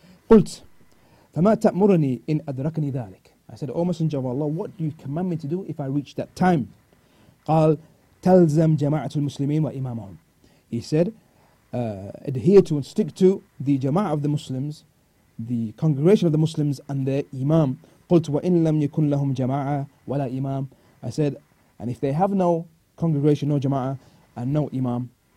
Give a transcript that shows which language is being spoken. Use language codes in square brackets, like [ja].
[ar] قلت فما تأمرني إن أدركني ذلك. [en] I said, O Messenger of Allah, what do you command me to do if I reach that time? [ar] قال تلزم جماعة المسلمين وإمامهم. [en] He said, adhere to and stick to the jama'ah of the Muslims, the congregation of the Muslims and their imam. [ar] قلت وإن لم يكن لهم جماعة ولا إمام. [en] I said, and if they have no congregation, no jama'ah and no imam.